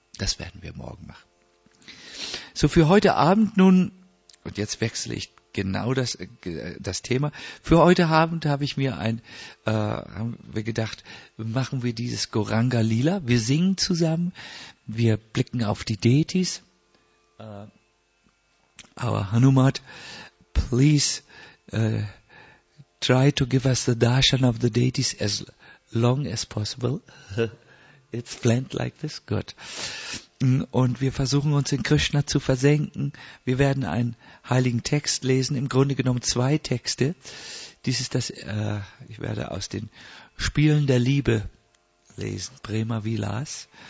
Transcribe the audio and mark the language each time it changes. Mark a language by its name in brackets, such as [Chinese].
[German] Das werden wir morgen machen. So, für heute Abend nun, und jetzt wechsle ich genau das Thema, für heute Abend habe ich mir gedacht, machen wir dieses Goranga Lila. Wir singen zusammen, wir blicken auf die Deities. [English] Our Hanumat, please try to give us the darshan of the deities as long as possible. It's planned like this, good. [German] Und wir versuchen uns in Krishna zu versenken. Wir werden einen heiligen Text lesen, im Grunde genommen zwei Texte. Dies ist das, ich werde aus den Spielen der Liebe lesen, Prema Vilas.